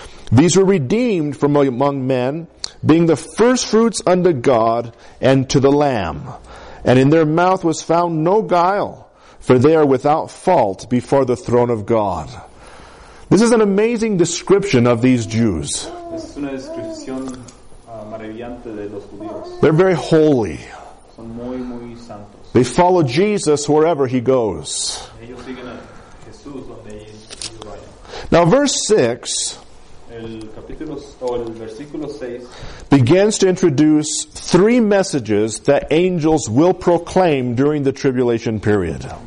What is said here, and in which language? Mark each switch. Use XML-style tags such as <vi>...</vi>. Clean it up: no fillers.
<en>These were redeemed from among men, being the firstfruits unto God and to the Lamb. And in their mouth was found no guile, for they are without fault before the throne of God. This is an amazing description of these Jews.</en> <es>Es una descripción maravillante de los judíos.</es> <en>They're very holy.</en> <es>Son muy, muy santos.</es> <en>They follow Jesus wherever he goes.</en> <es>Ellos siguen a Jesús donde ellos vayan.</es> <en>Now verse 6,</en> <es>el versículo 6</es> <en>begins to introduce three messages that angels will proclaim during the tribulation period.</en>